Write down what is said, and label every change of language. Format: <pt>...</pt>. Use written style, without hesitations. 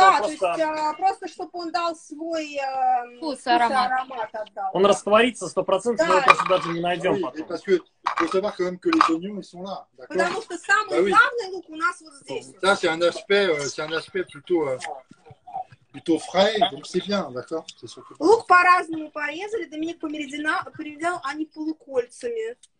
<ru>да, просто... то есть просто, чтобы он дал свой вкус, аромат. Отдал, он растворится 100%, да. Мы его просто даже не найдем потом. Потому что самый главный лук у нас вот здесь. Это аспект plutôt...</ru> <fr>Plutôt frais, donc c'est bien, d'accord?</fr> <ru>Лук по-разному порезали. Доминик помередил, а не полукольцами.</ru>